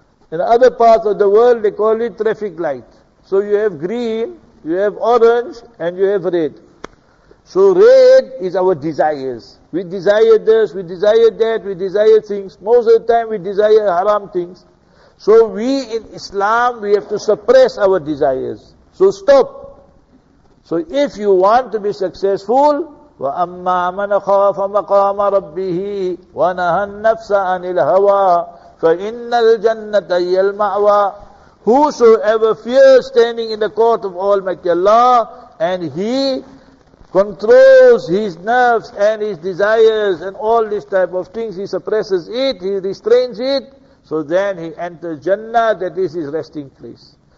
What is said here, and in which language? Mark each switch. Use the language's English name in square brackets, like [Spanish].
[English] In other parts of the world, they call it traffic light. So you have green, you have orange, and you have red. So red is our desires. We desire this, we desire that, we desire things. Most of the time we desire haram things. So we in Islam, we have to suppress our desires. So stop. So if you want to be successful, [Arabic] وَأَمَّا مَنَ خَافَ مَقَامَ رَبِّهِ وَنَهَى النَّفْسَ عَنِ الْهَوَىٰ فَإِنَّ الْجَنَّةَ هِيَ الْمَأْوَىٰ. [English] Whosoever fears standing in the court of Almighty Allah, and he controls his nerves and his desires and all these type of things, he suppresses it, he restrains it, so then he enters Jannah, that is his resting place.